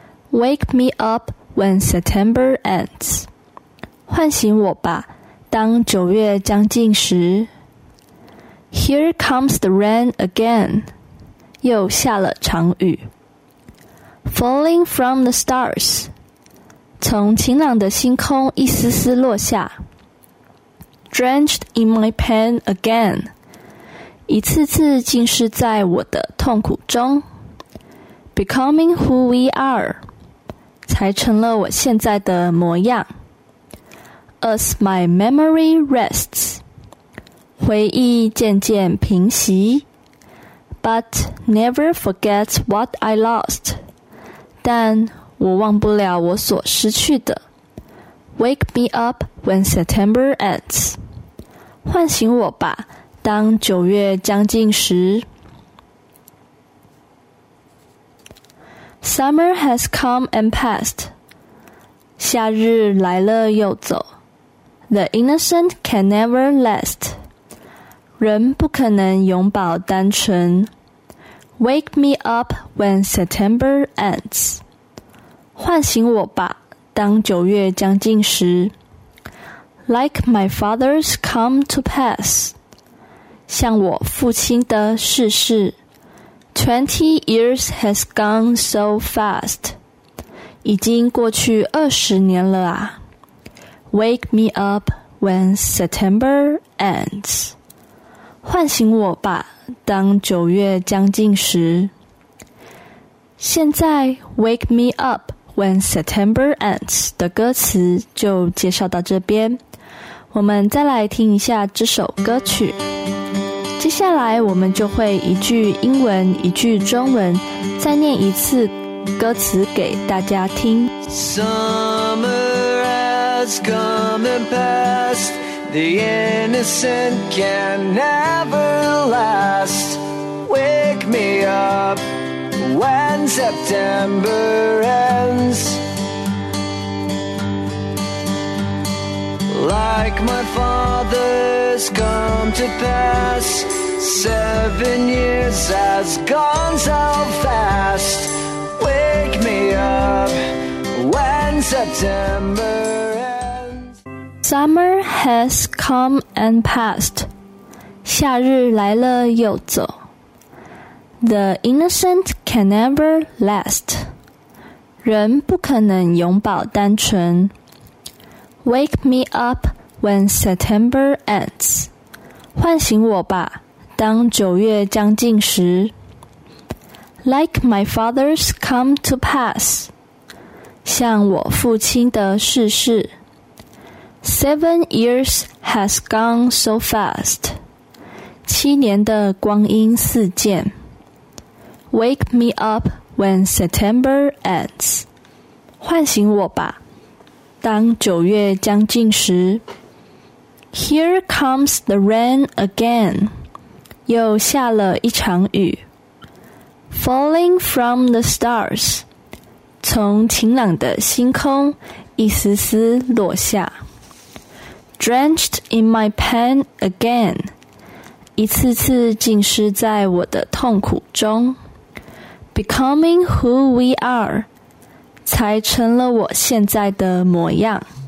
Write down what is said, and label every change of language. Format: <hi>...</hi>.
<en>Wake me up when September ends.</en> <zh>唤醒我吧，当九月将近时。</zh> <en>Here comes the rain again.</en> <zh>又下了场雨。</zh> <en>Falling from the stars,</en> <zh>从晴朗的星空一丝丝落下。</zh> <en>Drenched in my pain again,</en> <zh>一次次浸湿在我的痛苦中。</zh> <en>Becoming who we are,</en> <zh>才成了我现在的模样。</zh> <en>As my memory rests,</en> <zh>回忆渐渐平息。</zh> <en>But never forget what I lost.</en> <zh>但我忘不了我所失去的。</zh> <en>Wake me up when September ends.</en> <zh>唤醒我吧，当九月将近时。</zh> <en>Summer has come and passed.</en> <zh>夏日来了又走。</zh> <en>The innocent can never last.</en> <zh>人不可能永葆单纯。</zh> <en>Wake me up when September ends.</en> <zh>唤醒我吧，当九月将近时。</zh> <en>Like my father's come to pass.</en> <zh>像我父亲的逝世。</zh> <en>20 years has gone so fast.</en> <zh>已经过去二十年了啊。</zh> <en>Wake me up when September ends.</en> <zh>唤醒我吧，当九月将近时。现在</zh> <en>Wake me up when September ends</en> <zh>的歌词就介绍到这边，我们再来听一下这首歌曲。接下来我们就会一句英文一句中文再念一次歌词给大家听。</zh> <en>Summer has come and passedThe innocent can never last. Wake me up when September ends. Like my father's come to pass, 7 years has gone so fast. Wake me up when September ends. Summer has come and passed.</en> <zh>夏日来了又走。</zh> <en>The innocent can never last.</en> <zh>人不可能永葆单纯。</zh> <en>Wake me up when September ends.</en> <zh>唤醒我吧，当九月将近时。</zh> <en>Like my father's come to pass.</en> <zh>像我父亲的逝世。</zh> <en>7 years has gone so fast.</en> <zh>七年的光阴似箭。</zh> <en>Wake me up when September ends.</en> <zh>唤醒我吧，当九月将近时。</zh> <en>Here comes the rain again.</en> <zh>又下了一场雨。</zh> <en>Falling from the stars.</en> <zh>从晴朗的星空一丝丝落下。</zh> <en>Drenched in my pain again.</en> <zh>一次次浸湿在我的痛苦中。</zh> <en>Becoming who we are,</en> <zh>才成了我现在的模样。</zh>